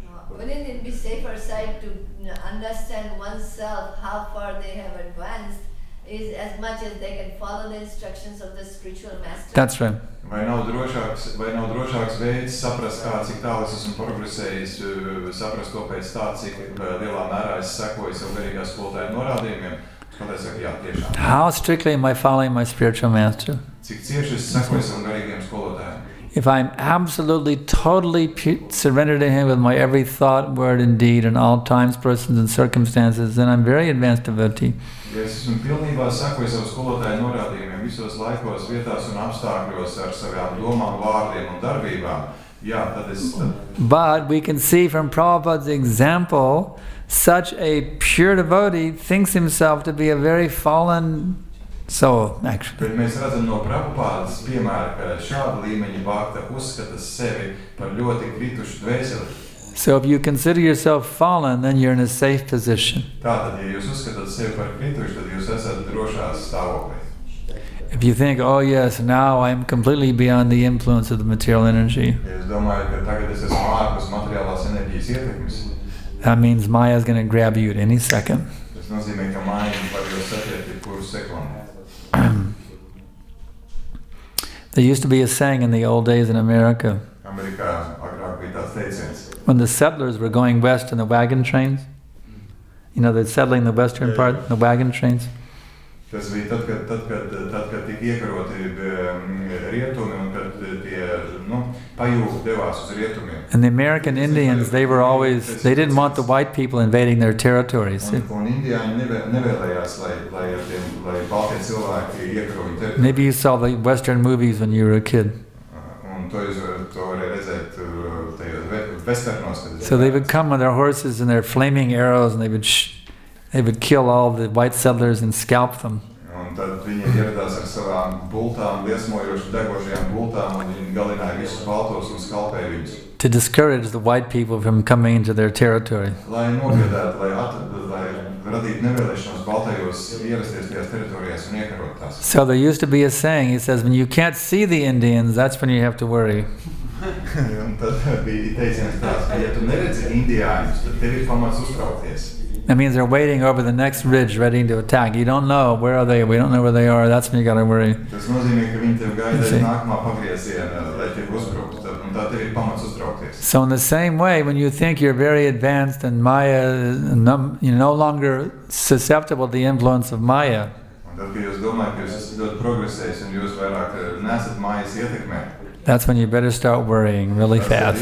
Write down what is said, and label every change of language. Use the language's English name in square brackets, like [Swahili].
[English] Wouldn't it be safer side to understand oneself how far they have advanced? Is as much as they can follow the instructions of the spiritual master. That's right. [Latvian] Vai nav drošāks veids saprast, kā cik tālu es esmu progresējis, saprast to pēc tā, cik lielā mērā es sekoju savu garīgā skolotāja norādījumiem. Skolotājs saka, jā, tiešām. [English] How strictly am I following my spiritual master? [Latvian] Cik cieši es sekoju savam garīgajam skolotājam? [English] If I'm absolutely, totally surrendered to Him with my every thought, word, and deed in all times, persons, and circumstances, then I'm very advanced devotee. [Latvian] Es esmu pilnībā sekoju savu skolotāju norādījumiem visos laikos, vietās un apstākļos ar savām domām, vārdiem un darbībām. Jā, tad es... [English] But we can see from Prabhupada's example, such a pure devotee thinks himself to be a very fallen soul, actually. [Latvian] Bet mēs redzam no Prabhupādas piemēra, ka šāda līmeņa bhakta uzskata sevi par ļoti kritušu dvēseli. [English] So if you consider yourself fallen, then you're in a safe position. [Latvian] Tātad, ja jūs uzskatāt sevi par kritušu, tad jūs esat drošā stāvoklī. [English] If you think, oh yes, now I'm completely beyond the influence of the material energy. [Latvian] Es domāju, ka tagad es esmu ārpus materiālās enerģijas ietekmes. [English] That means Maya is going to grab you at any second. [Latvian] Tas nozīmē, ka Maya var jūs satiekt jebkuru sekundi. [English] There used to be a saying in the old days in America. [Latvian] Amerikā agrāk bija tāds teiciens. [English] When the settlers were going west in the wagon trains, you know, they're settling the western part in the wagon trains. [Latvian] Tas bija tad, kad, tad, kad tika iekaroti rietumi un kad tie, nu, pajūgi devās uz rietumiem. [English] And the American Indians, they were always, they didn't want the white people invading their territories. [Latvian] Un indiāņi nevēlējās, lai baltie cilvēki iekaroja teritoriju. [English] Maybe you saw the western movies when you were a kid. [Latvian] Un to varēja redzēt tajos westernos. [English] So they would come on their horses and their flaming arrows and they would kill all the white settlers and scalp them. [Latvian] Un tad viņi ieradās ar savām bultām, liesmojošu degošajām bultām, un viņi galināja visus baltos un skalpēja viņus. [English] To discourage the white people from coming into their territory. [Latvian] Lai nobiedētu, lai radītu nevēlēšanos baltajos ierasties tajās teritorijās un iekarot tās. [English] So there used to be a saying, he says, when you can't see the Indians, that's when you have to worry. [Latvian] Un tad bija teiciens tās, ka ja tu neredzi indiāņus, tad tev ir pamats uztraukties. [English] That means they're waiting over the next ridge, ready to attack. You don't know, where are they? We don't know where they are. That's when you got to worry. [Latvian] Tas nozīmē, ka viņi tev gaida nākamā pagrieziena, lai tev uzbruktu, un tad tev ir pamats uztraukties. [English] So in the same way, when you think you're very advanced and Maya, you're no longer susceptible to the influence of Maya. [Latvian] Un tad, kad jūs domājat, ka jūs esat ļoti progresējis un jūs vairāk nesat Mayas ietekmē. [English] That's when you better start worrying really fast.